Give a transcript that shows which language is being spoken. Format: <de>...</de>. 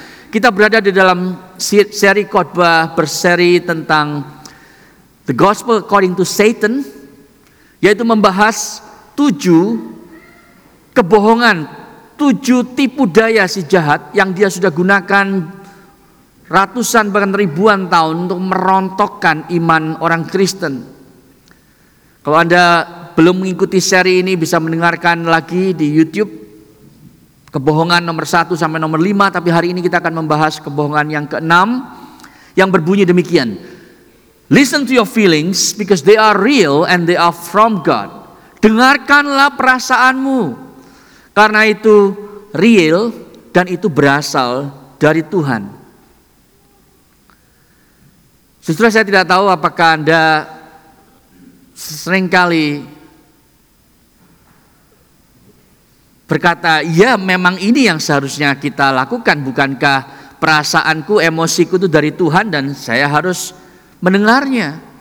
<id>Kita berada di dalam seri khotbah berseri tentang The Gospel According to Satan, yaitu membahas 7 kebohongan, 7 tipu daya si jahat yang dia sudah gunakan ratusan bahkan ribuan tahun untuk merontokkan iman orang Kristen. Kalau Anda belum mengikuti seri ini, bisa mendengarkan lagi di YouTube kebohongan nomor 1 sampai nomor 5, tapi hari ini kita akan membahas kebohongan yang ke-6 yang berbunyi demikian.</id> <en>Listen to your feelings because they are real and they are from God.</en> <id>Dengarkanlah perasaanmu karena itu real dan itu berasal dari Tuhan. Justru saya tidak tahu apakah Anda seringkali berkata, ya memang ini yang seharusnya kita lakukan, bukankah perasaanku, emosiku itu dari Tuhan dan saya harus mendengarnya.</id>